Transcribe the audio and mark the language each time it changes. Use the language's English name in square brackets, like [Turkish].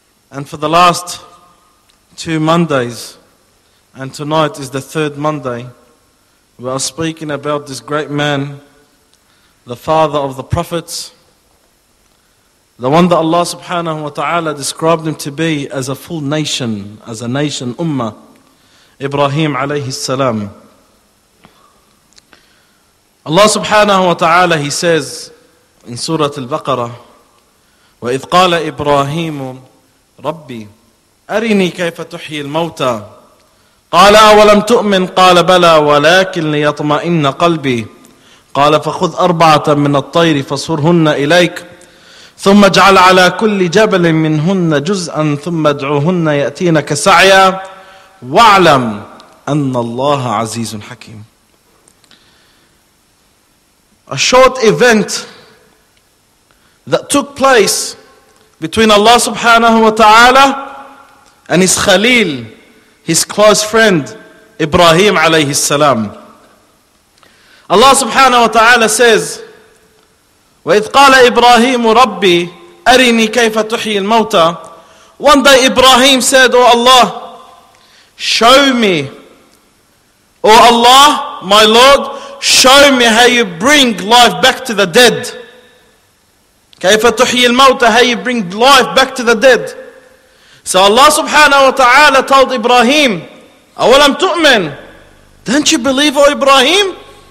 [English] And for the last two Mondays, and tonight is the third Monday, we are speaking about this great man, the father of the prophets, the one that Allah subhanahu wa ta'ala described him to be as a full nation, as a nation, ummah, Ibrahim alayhi salam. Allah subhanahu wa ta'ala, He says in Surah Al-Baqarah, [Arabic] وَإِذْ قَالَ إِبْرَاهِيمُ رَبِّ أَرِنِي كَيْفَ تُحْيِي الْمَوْتَى قَالَ أَوَلَمْ تُؤْمِنْ قَالَ بَلَى وَلَكِنْ لِيَطْمَئِنَّ قَلْبِي قَالَ فَخُذْ أَرْبَعَةً مِنَ الطَّيْرِ فَصُرْهُنَّ إِلَيْكَ ثم اجعل على كل جبل منهن جزءا ثم ادعوهن ياتينك سعيا واعلم ان الله عزيز حكيم. [English] A short event that took place between Allah subhanahu wa ta'ala and His Khalil, His close friend Ibrahim alayhi salam. Allah subhanahu wa ta'ala says, [Arabic] وَإِذْ قَالَ إِبْرَاهِيمُ رَبِّ أَرِنِي كَيْفَ تُحْيِي الْمَوْتَى. [English] One day Ibrahim said, O Allah, show me, O Allah, my Lord, show me how you bring life back to the dead. [Arabic] كَيْفَ تُحْيِي الْمَوْتَى, [English] how you bring life back to the dead. So Allah subhanahu wa ta'ala told Ibrahim, [Arabic] أَوَلَمْ تُؤْمِن, [English] don't you believe, O Ibrahim?